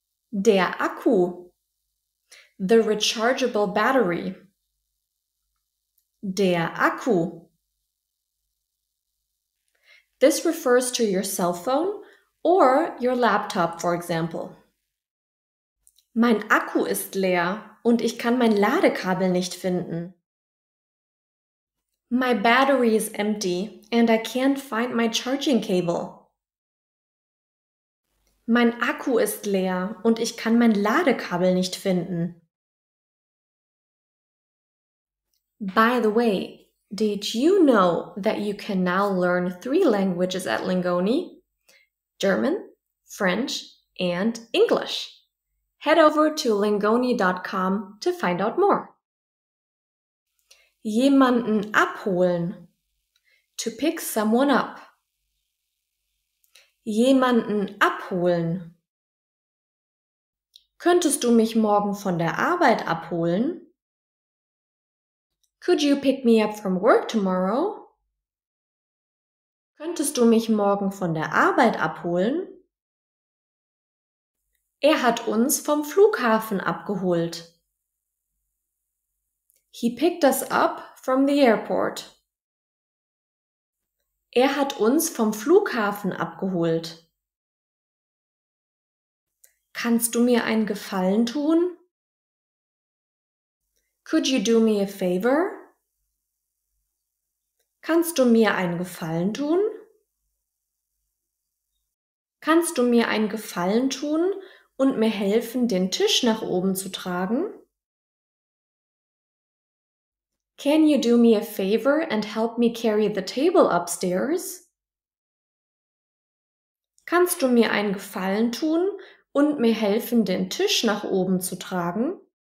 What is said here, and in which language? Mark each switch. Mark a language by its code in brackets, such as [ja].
[de] Der Akku. [en] The rechargeable battery. [de] Der Akku. [en] This refers to your cell phone or your laptop, for example. [de] Mein Akku ist leer und ich kann mein Ladekabel nicht finden. [en] My battery is empty and I can't find my charging cable. [de] Mein Akku ist leer und ich kann mein Ladekabel nicht finden. [en] By the way, did you know that you can now learn 3 languages at Lingoni? German, French, and English. Head over to lingoni.com to find out more. [de] Jemanden abholen. [en] To pick someone up. [de] Jemanden abholen. Könntest du mich morgen von der Arbeit abholen? [en] Could you pick me up from work tomorrow? [de] Könntest du mich morgen von der Arbeit abholen? Er hat uns vom Flughafen abgeholt. [en] He picked us up from the airport. [de] Er hat uns vom Flughafen abgeholt. Kannst du mir einen Gefallen tun? [en] Could you do me a favor? [de] Kannst du mir einen Gefallen tun? Kannst du mir einen Gefallen tun und mir helfen, den Tisch nach oben zu tragen? [en] Can you do me a favor and help me carry the table upstairs? [de] Kannst du mir einen Gefallen tun und mir helfen, den Tisch nach oben zu tragen?